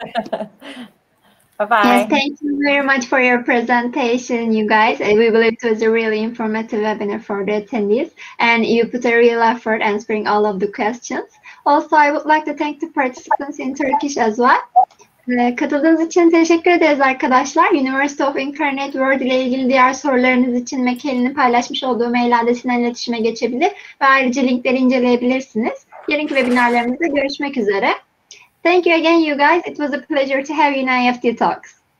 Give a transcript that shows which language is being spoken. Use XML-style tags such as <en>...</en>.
<en>Bye-bye. Yes, thank you very much for your presentation, you guys. We believe it was a really informative webinar for the attendees, and you put a real effort answering all of the questions. Also, I would like to thank the participants in Turkish as well.</en> <tr>Katıldığınız için teşekkür ederiz arkadaşlar. University of Incarnate World ile ilgili diğer sorularınız için Mekeli'nin paylaşmış olduğu mail adresinden iletişime geçebilir ve ayrıca linkleri inceleyebilirsiniz. Yarınki webinarlarımızda görüşmek üzere.</tr> <en>Thank you again, you guys. It was a pleasure to have you in IEFT Talks.</en>